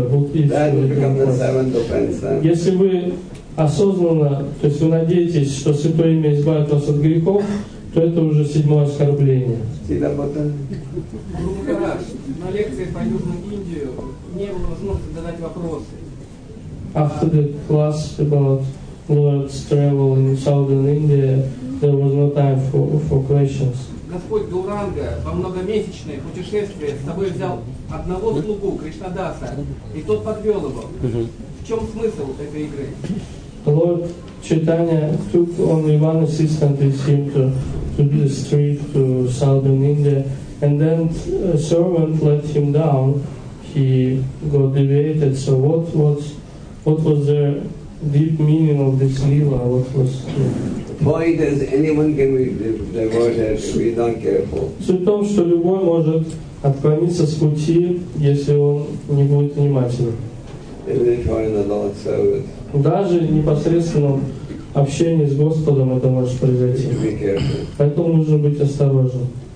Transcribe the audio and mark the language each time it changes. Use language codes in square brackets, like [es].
[en] Offense, [ru] если вы осознанно, то есть вы надеетесь, что Святое Имя избавит вас от грехов, то это уже седьмое оскорбление. Гуру Махарадж, на лекции по Южной Индии мне было возможность задать вопросы. [en] After the class about Lord's travel in Southern India, there was no time for questions. [ru] Господь Гауранга во многомесячное путешествие с собой взял одного слугу, Кришнадаса, и тот подвел его. В чем смысл этой игры? [en] Lord Chaitanya took only one assistant with him to the street to Southern India, and then a servant let him down. He got deviated. So what was the deep meaning of this lila? What was the why does anyone can be diverted if we're not careful? [ru] Суть в том, что любой может отклониться с пути, если он не будет внимателен. [en] Even if you're in the Lord's service. [ru] Даже в непосредственном общении с Господом это может произойти. Поэтому нужно быть осторожным.